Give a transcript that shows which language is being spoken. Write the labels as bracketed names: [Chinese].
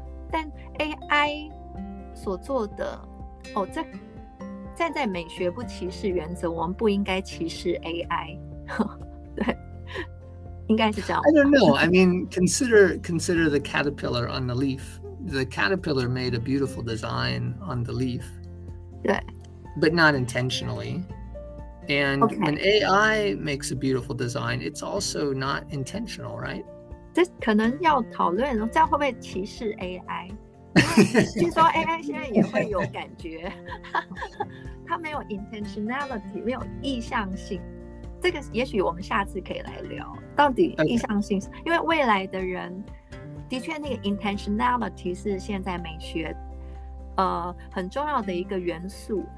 [Chinese] 但 AI 所做的，这站在美学不歧视原则，我们不应该歧视 AI。对，应该是这样。 [English] I don't know. I mean, consider the caterpillar on the leaf. The caterpillar made a beautiful design on the leaf. [Chinese] 对 [English] but not intentionally. And when AI makes a beautiful design, it's also not intentional, right? [Chinese] 这可能要讨论，这样会不会歧视 AI？据说 AI 现在也会有感觉，它没有 intentionality， 没有意向性。这个也许我们下次可以来聊，到底意向性，因为未来的人的确那个 intentionality 是现在美学很重要的一个元素。